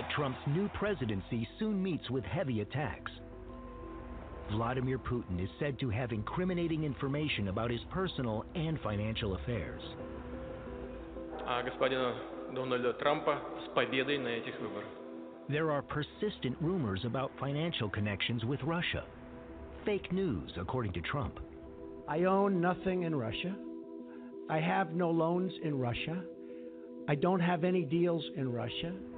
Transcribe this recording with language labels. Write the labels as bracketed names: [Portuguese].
[English] But Trump's new presidency soon meets with heavy attacks. Vladimir Putin is said to have incriminating information about his personal and financial affairs. [Russian] А господина Дональда Трампа с победой на этих выборах. [English] There are persistent rumors about financial connections with Russia. Fake news, according to Trump. I own nothing in Russia. I have no loans in Russia. I don't have any deals in Russia.